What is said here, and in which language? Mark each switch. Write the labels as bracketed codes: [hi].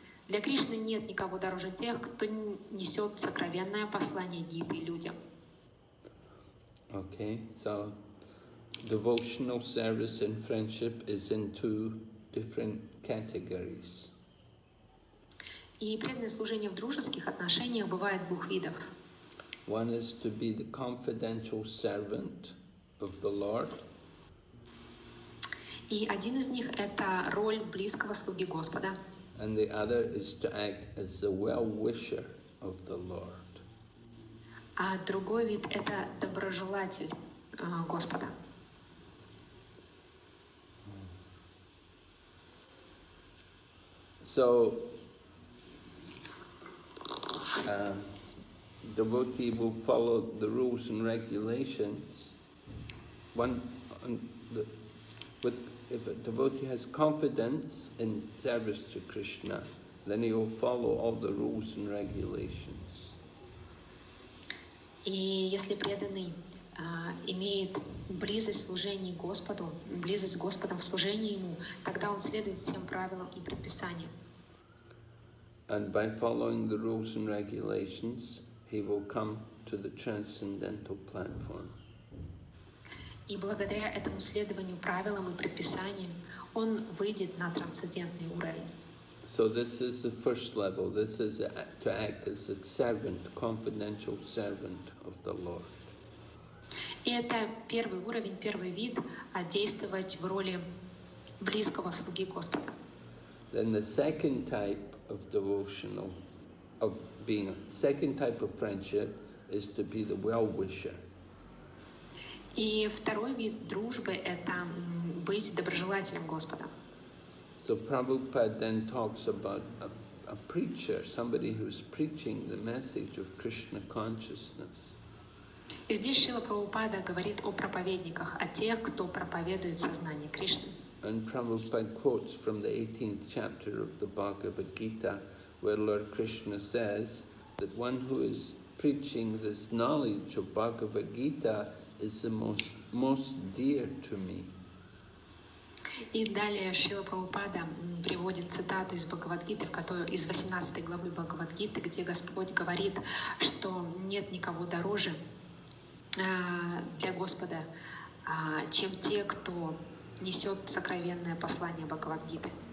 [ru] Для Кришны нет никого дороже тех, кто несет сокровенное послание Гиты людям. [en] Okay, so devotional service and friendship is in two different categories. [ru] И преданное служение в дружеских отношениях бывает двух видов. [en] One is to be the confidential servant of the Lord. [ru] И один из них — это роль близкого слуги Господа. [en] And the other is to act as the well-wisher of the Lord. [ru] А другой вид — это доброжелатель Господа. [en] So, devotee will follow the rules and regulations. If a devotee has confidence in service to Krishna, then he will follow all the rules and regulations. [ru] И если преданный имеет близость служения Господу, близость с Господом в служении ему, тогда он следует всем правилам и предписаниям. [en] And by following the rules and regulations, he will come to the transcendental platform. [ru] И благодаря этому следованию правилам и предписаниям он выйдет на трансцендентный уровень. [en] So this is the first level. This is to act as a servant, confidential servant of the Lord. [ru] И это первый уровень, первый вид, действовать в роли близкого слуги Господа. [en] Then the second type of devotional, of being second type of friendship, is to be the well-wisher. [ru] И второй вид дружбы – это быть доброжелателем Господа. [en] So Prabhupada then talks about a preacher, somebody who's preaching the message of Krishna consciousness. [ru] И здесь Шрила Прабхупада говорит о проповедниках, о тех, кто проповедует сознание Кришны. [en] And Prabhupada quotes from the 18th chapter of the Bhagavad Gita, where Lord Krishna says that one who is preaching this knowledge of Bhagavad Gita is the most dear to me. [ru] И далее Шрила Прабхупада приводит цитату из Бхагавад-гиты, из 18 главы Бхагавад-гиты, где Господь говорит, что нет никого дороже для Господа, чем те, кто несет сокровенное послание Бхагавад-гиты.